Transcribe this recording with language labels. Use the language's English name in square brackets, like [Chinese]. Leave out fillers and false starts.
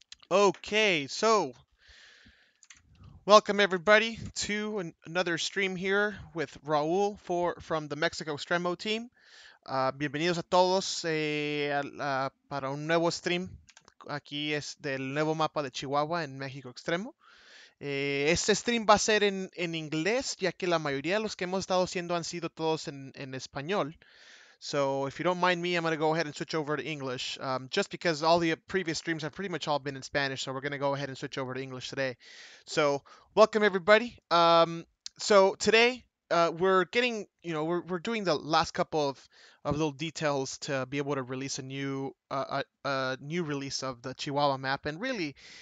[English] Okay, so welcome everybody to another stream here with Raul for from the Mexico Extremo team. [Spanish] Bienvenidos a todos para un nuevo stream. Aquí es del nuevo mapa de Chihuahua en Mexico Extremo. Este stream va a ser en inglés, ya que la mayoría de los que hemos estado haciendo han sido todos en español. [English] So, if you don't mind me, I'm going to go ahead and switch over to English, just because all the previous streams have pretty much all been in Spanish. So, we're going to go ahead and switch over to English today. So, welcome everybody. So today we're getting, we're doing the last couple of little details to be able to release a new release of the Chihuahua map, and really.